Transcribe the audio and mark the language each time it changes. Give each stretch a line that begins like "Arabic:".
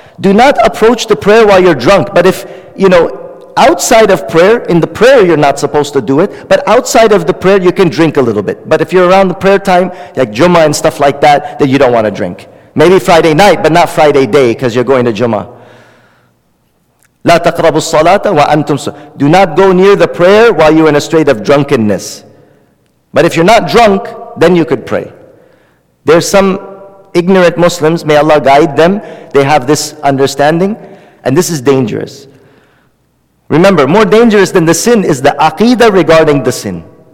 English: Do not approach the prayer while you're drunk. But if, you know, outside of prayer, in the prayer you're not supposed to do it, but outside of the prayer you can drink a little bit. But if you're around the prayer time, like Jummah and stuff like that, then you don't want to drink. Maybe Friday night, but not Friday day, because you're going to Jummah.
Arabic: لا تقربوا الصلاة وأنتم سكارى.
English: Do not go near the prayer while you're in a state of drunkenness. But if you're not drunk, then you could pray. There's some ignorant Muslims, may Allah guide them, they have this understanding, and this is dangerous. Remember, more dangerous than the sin is the aqidah regarding the sin.